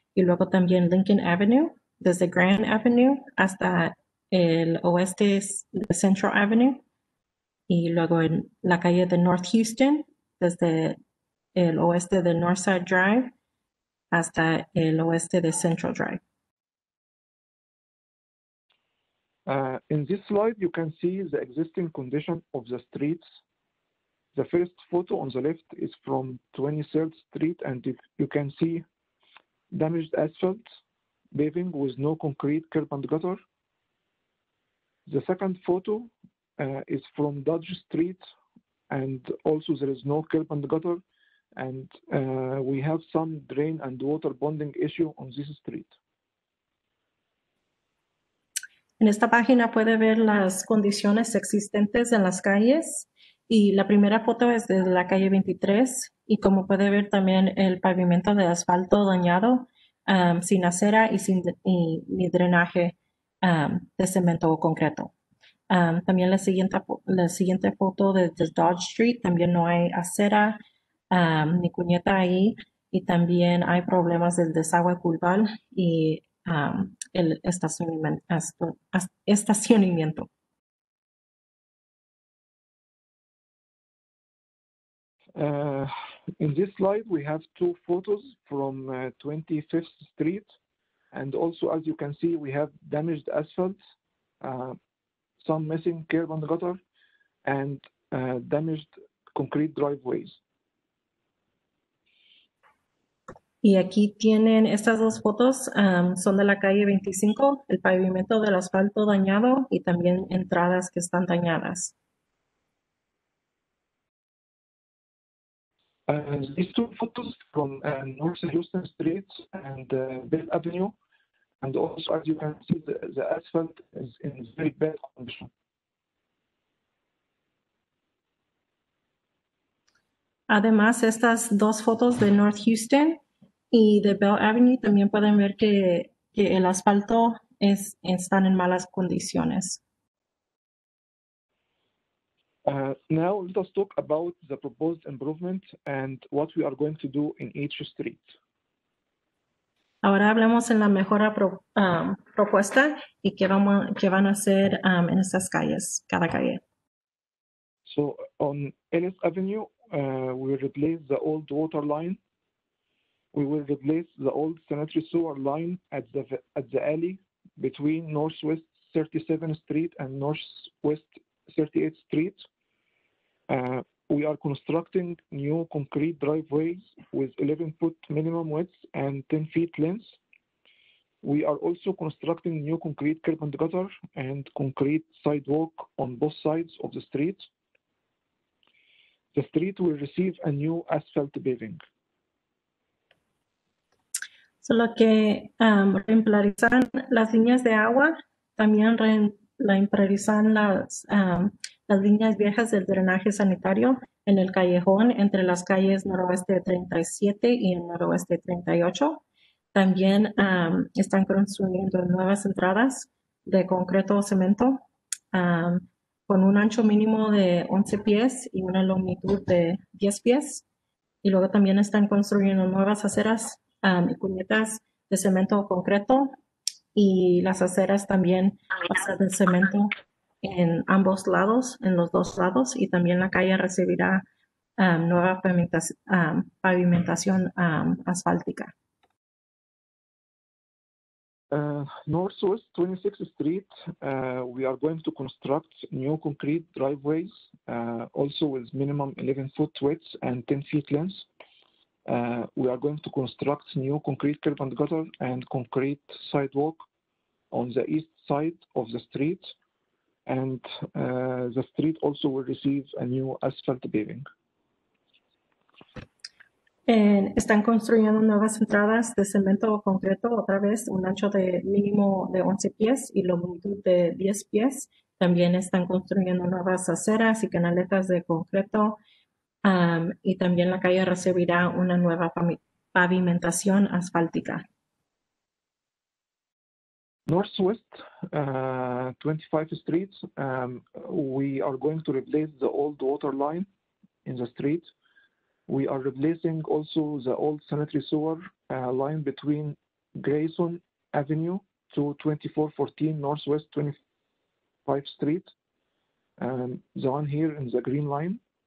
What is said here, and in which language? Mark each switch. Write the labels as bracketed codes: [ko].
[es] Y luego también Lincoln Avenue, desde Grand Avenue hasta el oeste Central Avenue. Y luego en la calle de North Houston, desde el oeste de Northside Drive hasta el oeste de Central Drive. [en] In this slide, you can see the existing condition of the streets. The first photo on the left is from 23rd Street, and you can see damaged asphalt, paving with no concrete curb and gutter. The second photo is from Dodge Street, and also there is no curb and gutter, and we have some drain and water bonding issue on this street. [es] En esta página puede ver las condiciones existentes en las calles. Y la primera foto es de la calle 23. Y como puede ver también el pavimento de asfalto dañado, sin acera y sin ni drenaje de cemento o concreto. También la siguiente foto de Dodge Street, también no hay acera ni cuneta ahí. Y también hay problemas del desagüe pluvial y el estacionamiento. [en] In this slide, we have two photos from 25th Street. And also, as you can see, we have damaged asphalt, some missing curb and gutter, and damaged concrete driveways. [es] Y aquí tienen estas dos fotos, son de la calle 25, el pavimento del asfalto dañado y también entradas que están dañadas. [en] These two photos from North Houston Street and Bell Avenue, and also as you can see, the asphalt is in very bad condition. [es] Además, estas dos fotos de North Houston y de Bell Avenue también pueden ver que el asfalto están en malas condiciones. [en] Now let us talk about the proposed improvement and what we are going to do in each street. [es] Ahora hablemos en la mejora propuesta y qué van a hacer en estas calles, cada calle. [en] So on Ellis Avenue, we replace the old water line. We will replace the old sanitary sewer line at the alley between Northwest 37th Street and Northwest 38th Street. We are constructing new concrete driveways with 11-foot minimum width and 10-feet length. We are also constructing new concrete curb and gutter and concrete sidewalk on both sides of the street. The street will receive a new asphalt paving. [es] Solo que reimplantarán las líneas de agua, también reimplantarán las líneas viejas del drenaje sanitario en el callejón entre las calles noroeste 37 y el noroeste 38. También están construyendo nuevas entradas de concreto o cemento con un ancho mínimo de 11 pies y una longitud de 10 pies. Y luego también están construyendo nuevas aceras y cunetas de cemento concreto y las aceras también basadas en cemento en ambos lados, en los dos lados, y también la calle recibirá nueva pavimentación asfáltica. [en] North West 26th Street, we are going to construct new concrete driveways, also with minimum 11 foot width and 10 feet length. We are going to construct new concrete curb and gutter and concrete sidewalk on the east side of the street. And the street also will receive a new asphalt paving. [es] Están construyendo nuevas entradas de cemento o concreto, otra vez un ancho de mínimo de 11 pies y longitud de 10 pies. También están construyendo nuevas aceras y canaletas de concreto. Y también la calle recibirá una nueva pavimentación asfáltica. [en] Northwest 25th Street, we are going to replace the old water line in the street. We are replacing also the old sanitary sewer line between Grayson Avenue to 2414 Northwest 25th Street, the one here in the green line.